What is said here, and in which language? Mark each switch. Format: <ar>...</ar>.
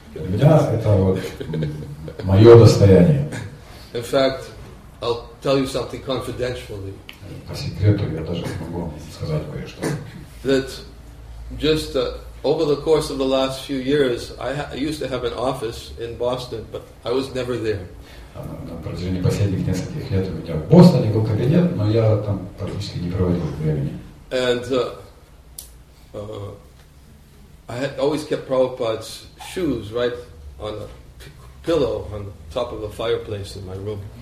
<ru>Для меня это вот мое достояние.</ru> <en>In fact, I'll tell you something confidentially.</en> <ru>По секрету я даже могу сказать кое-что.</ru> <en>That just over the course of the last few years, I used to have an office in Boston, but I was never there.</en> <ru>На протяжении последних нескольких лет у меня в Бостоне был кабинет, но я там практически не проводил времени.</ru> <en>And I had always kept Prabhupada's shoes right on a pillow on the top of the fireplace in my room.</en>